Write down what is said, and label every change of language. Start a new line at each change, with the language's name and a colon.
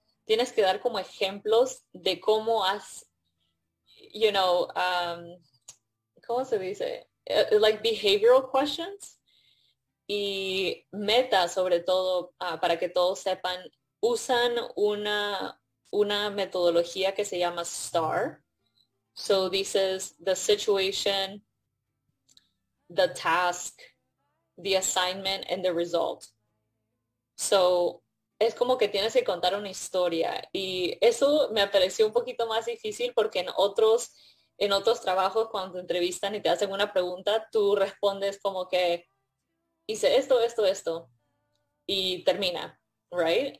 Spanish: Tienes que dar como ejemplos de cómo has,
English: you know,
Spanish: ¿cómo se dice?
English: Like behavioral questions.
Spanish: Y Meta, sobre todo, para que todos sepan, usan una metodología que se llama STAR. So dices
English: the situation, the task, the assignment, and the result. So...
Spanish: Es como que tienes que contar una historia y eso me pareció un poquito más difícil porque en otros trabajos cuando te entrevistan y te hacen una pregunta, tú respondes como que hice esto, esto, esto y termina, right?